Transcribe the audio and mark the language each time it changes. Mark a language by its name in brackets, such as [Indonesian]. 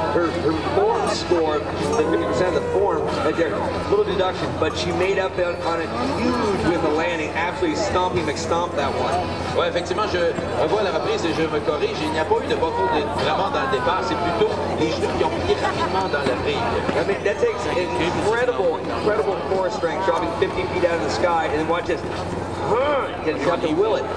[English] 50% of the form right there, little deduction, but she made up on it huge with the landing, absolutely stompy McStomp that one. [French] Ouais, effectivement, je revois la reprise et je me corrige, il n'y a pas eu de bottle de, vraiment dans le départ, c'est plutôt les genoux qui ont pris rapidement dans la prise. [English] I mean, that takes incredible core strength, dropping 50 feet out of the sky, and then watch this, can drop the Willet.